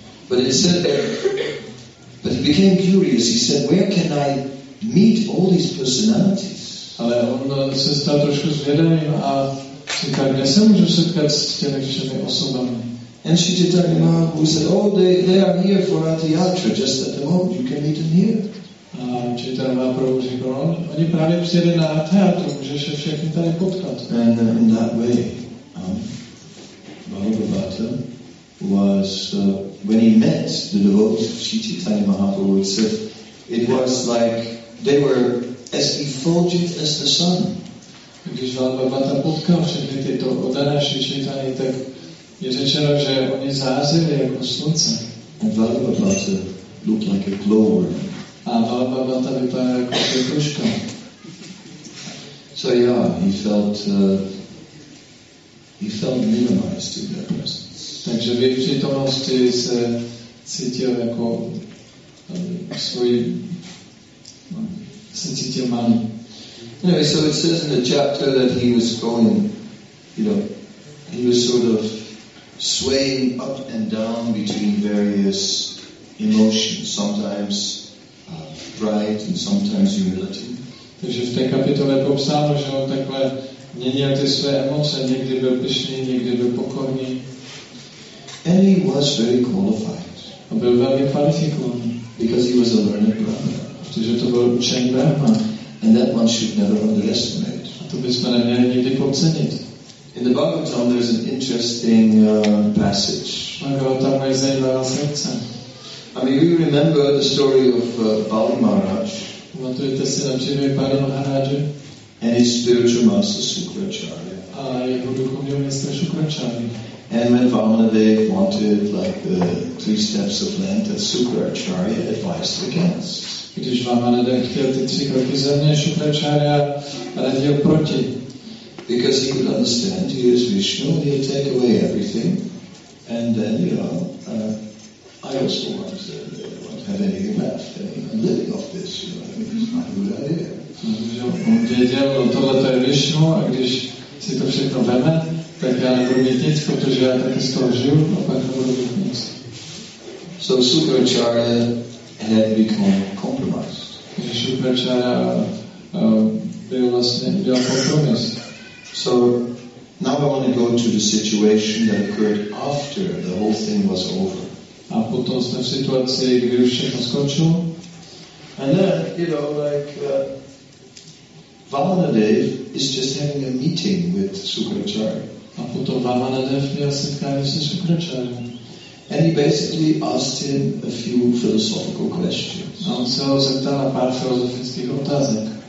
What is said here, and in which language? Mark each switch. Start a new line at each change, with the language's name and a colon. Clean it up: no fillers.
English: But it said that, but he became curious. He said, where can I meet all these personalities?
Czech: Ale on sa stal trošku zvedavým a říkal, kde sa môžu setkať s tými všemi osobami.
English: And Sri Chaitanya Mahaprabhu said, oh, they are here for Atiyatra, just at the moment, you can meet them here.
Czech: A Chaitanya Mahaprabhu řekl, oni práve přijeli na Atiyatra, môžeš je všechny tady potkat.
English: And in that way, Bhagavata was, when he met the devotees of Sri Chaitanya Mahaprabhu, he said, it was like, they were as effulgent as the sun.
Czech: Když Bhagavata potkal všechny tyto oddané Sri Chaitanya, tak je řečeno, že oni zářili jako slunce.
English: And Bhagavata looked like a glower.
Czech: A Bhagavata vypadá jako světluška.
English: So yeah, he felt minimized in their presence.
Czech: Takže v přítomnosti se cítil jako svůj, se cítil malý.
English: Anyway, so it says in the chapter that he was going, you know, he was sort of swaying up and down between various emotions, sometimes pride and sometimes humility.
Czech: Takže v té kapitole je popsáno, že on takhle měnil ty své emoce, někdy byl pyšný, někdy byl pokorný.
English: And he was very qualified.
Czech: A byl velmi kvalifikovaný.
English: Because he was a learned brahmana.
Czech: Protože to byl učený brahman.
English: And that one should never underestimate.
Czech: A to bychom neměli nikdy podcenit.
English: In the Bhagavatam there's an interesting passage. I mean, you remember the story of Bali Maharaj.
Czech: Pamatujete si na příběh Bali Maharaje?
English: And his spiritual master Sukracharya.
Czech: A jeho duchovního mistra Sukracharya.
English: And when Vamanadeva wanted like the three steps of land that Sukracharya advised against.
Czech: Když Vamanadeva chtěl ty tři kroky země, Sukracharya radil proti.
English: Because he could understand, he is Vishnu, he will take away everything, and then, you know, I also won't have anything left, I'm living off this, you know, it's not a good idea.
Czech: On věděl, tohle to je Vishnu, a když si to všechno veme, tak já nebudu mít nic, protože já taky z toho žiju, a pak nebudu mít nic.
English: So Sukracharya had become compromised.
Czech: Sukracharya byl vlastně, byl kompromis.
English: So now I want to go to the situation that occurred after the whole thing was over.
Czech: A potom jsme v situaci, kdy už všechno skončilo.
English: And then, you know, like Vamanadev is just having a meeting with Sukracharya.
Czech: A potom Vamanadev měl setkání se Sukracharyem.
English: And he basically asked him a few philosophical questions.
Czech: A on se ho zeptal na pár filozofických otázek.